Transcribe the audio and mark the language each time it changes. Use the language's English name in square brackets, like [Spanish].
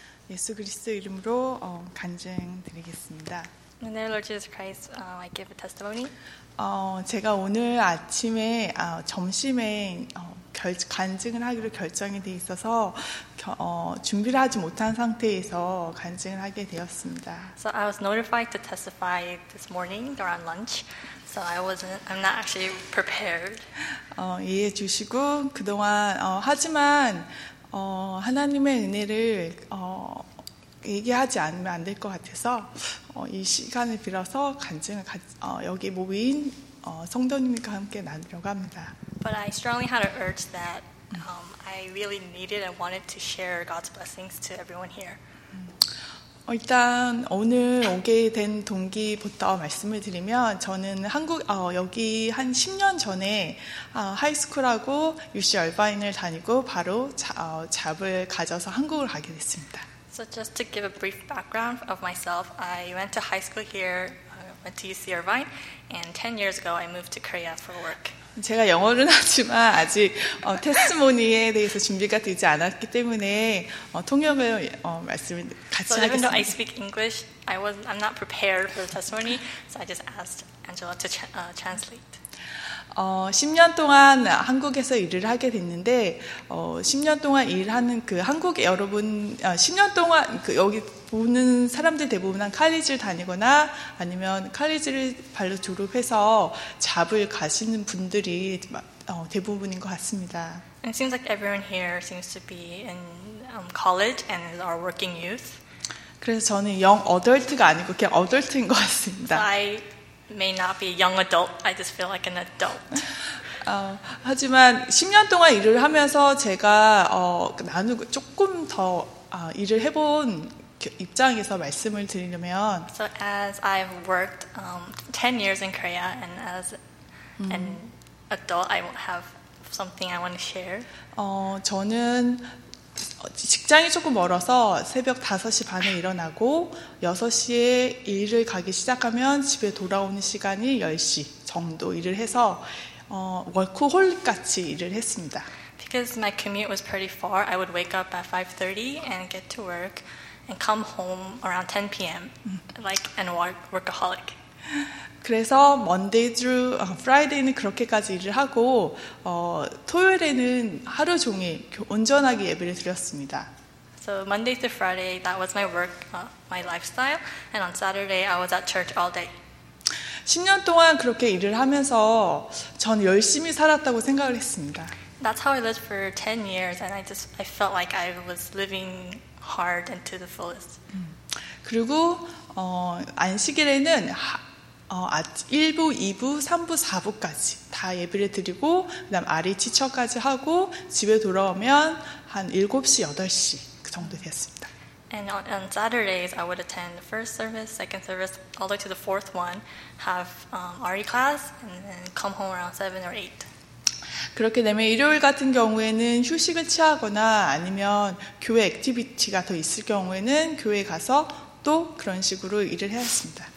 [Korean] 예수 그리스도 이름으로 간증 드리겠습니다. [English] In the name of Lord Jesus Christ, I give a testimony. [Korean] 제가 오늘 아침에 점심에 간증을 하기로 결정이 돼 있어서 준비를 하지 못한 상태에서 간증을 하게 되었습니다. [English] So I was notified to testify this morning around lunch. So I'm not actually prepared. [Korean] 이해해 주시고 그동안 하지만 하나님의 은혜를 얘기하지 않으면 안 될 것 같아서 이 시간을 빌어서 간증을 여기 모인 성도님과 함께 나누려고 합니다. [English] But I strongly had an urge that I really needed and wanted to share God's blessings to everyone here. [Korean] 일단 오늘 오게 된 동기부터 말씀을 드리면 저는 한국 여기 한 10년 전에 하이스쿨하고 UC 얼바인을 다니고 바로 잡을 가져서 한국을 가게 됐습니다. [English] So just to give a brief background of myself, I went to high school here, went to UC Irvine, and 10 years ago I moved to Korea for work. [Korean] 제가 영어를 하지만 아직 테스모니에 대해서 준비가 되지 않았기 때문에 통역을 말씀을 같이 하겠습니다. [English] So even though I speak English, I'm not prepared for the testimony, so I just asked Angela to translate. [Korean] 10년 동안 한국에서 일을 하게 됐는데 10년 동안 일하는 그 한국 여러분 10년 동안 그 여기 보는 사람들 대부분 한 칼리지를 다니거나 아니면 칼리지를 발로 졸업해서 잡을 가시는 분들이 대부분인 것 같습니다. [English] It seems like everyone here seems to be in college and are working youth. [Korean] 그래서 저는 young adult가 아니고 그냥 adult인 것 같습니다. [English] I may not be a young adult. I just feel like an adult. [Korean] 하지만 10년 동안 일을 하면서 제가 나누고 조금 더 일을 해본 입장에서 말씀을 드리려면 [English] So as I've worked 10 years in Korea and as an adult I have something I want to share. [Korean] 저는 직장이 조금 멀어서 새벽 5시 반에 일어나고 6시에 일을 가기 시작하면 집에 돌아오는 시간이 10시 정도 일을 해서 워크홀릭 같이 일을 했습니다. [English] Because my commute was pretty far, I would wake up at 5:30 and get to work and come home around 10 p.m. like a workaholic. [Korean] 그래서 [English] Monday through Friday [Korean] 는 그렇게까지 일을 하고 토요일에는 하루 종일 온전하게 예배를 드렸습니다. [English] So Monday through Friday that was my work my lifestyle and on Saturday I was at church all day. [Korean] 10년 동안 그렇게 일을 하면서 전 열심히 살았다고 생각을 했습니다. [English] That's how I lived for 10 years and I felt like I was living hard and to the fullest. [Korean] 그리고 안식일에는 1부, 2부, 3부, 4부까지 다 예배를 드리고 그다음 RE치처까지 하고 집에 돌아오면 한 7시, 8시 그 정도 됐습니다. [English] And on Saturdays I would attend the first service, second service, all the way to the fourth one, have RE class and then come home around 7 or 8. [Korean] 그렇게 되면 일요일 같은 경우에는 휴식을 취하거나 아니면 교회 액티비티가 더 있을 경우에는 교회 가서 또 그런 식으로 일을 해왔습니다.